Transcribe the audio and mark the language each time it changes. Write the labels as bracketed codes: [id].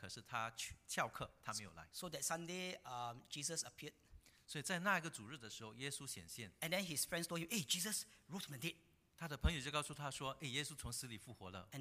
[zh] 因为在星期天他本来要参加崇拜的，可是他翘课，他没有来。 [en] So that Sunday, Jesus appeared. [zh] 所以在那个主日的时候，耶稣显现。 [en] And then his friends told him, "Hey, Jesus rose from the dead." [zh] 他的朋友就告诉他说，耶稣从死里复活了。 [en] And